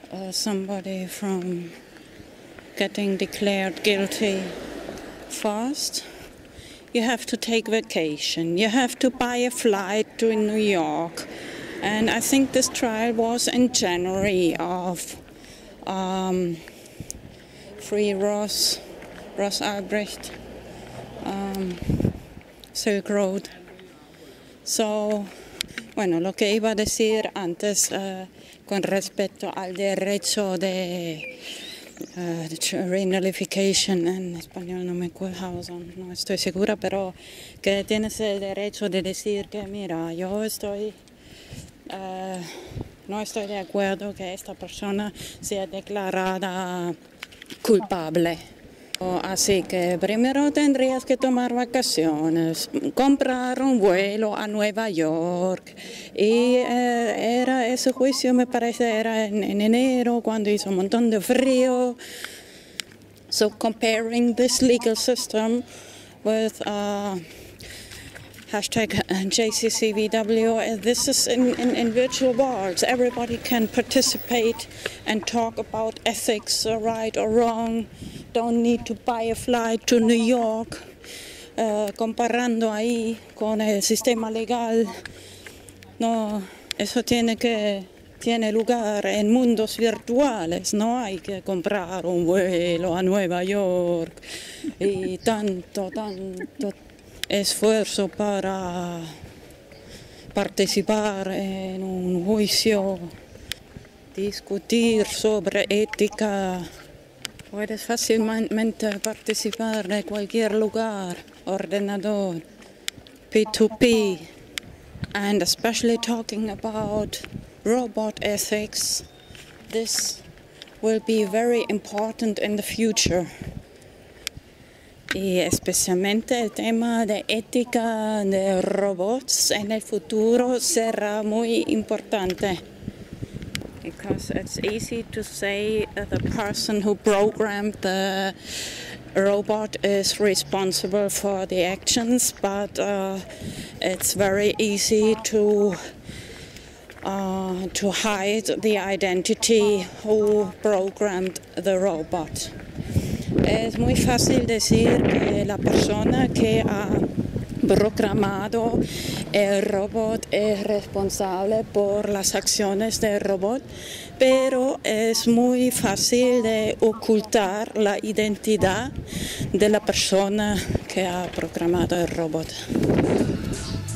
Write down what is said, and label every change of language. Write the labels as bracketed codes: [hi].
[en] somebody from getting declared guilty fast, you have to take vacation, you have to buy a flight to New York, and I think this trial was in January of Free Ross Albrecht Silk Road. [es] So, bueno, lo que iba a decir antes con respecto al derecho de renullification, en español no me acuerdo, no estoy segura, pero que tienes el derecho de decir que mira, yo estoy no estoy de acuerdo que esta persona sea declarada culpable. Así que primero tendrías que tomar vacaciones, comprar un vuelo a Nueva York. Y era ese juicio, me parece, era en enero, cuando hizo un montón de frío. [en] So comparing this legal system with hashtag JCCVW. This is in virtual worlds. Everybody can participate and talk about ethics, right or wrong. Don't need to buy a flight to New York. [es] Comparando ahí con el sistema legal, no, eso tiene que tiene lugar en mundos virtuales. No hay que comprar un vuelo a Nueva York y tanto, tanto esfuerzo para participar en un juicio, discutir sobre ética. [en] Puedes fácilmente participar en cualquier lugar, ordenador, P2P, and especially talking about robot ethics, this will be very important in the future. [es] Y especialmente el tema de ética de robots en el futuro será muy importante. [en] Because it's easy to say that the person who programmed the robot is responsible for the actions, but it's very easy to hide the identity who programmed the robot. [es] Es muy fácil decir que la persona que ha programado el robot es responsable por las acciones del robot, pero es muy fácil de ocultar la identidad de la persona que ha programado el robot.